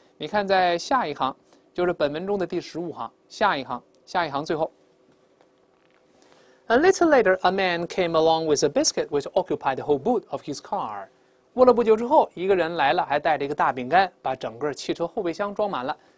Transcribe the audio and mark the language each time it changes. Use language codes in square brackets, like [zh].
[zh] 你看，在下一行，就是本文中的第15行，下一行最后。 [en] A little later, a man came along with a biscuit which occupied the whole boot of his car. [zh] 过了不久之后，一个人来了，还带着一个大饼干，把整个汽车后备箱装满了。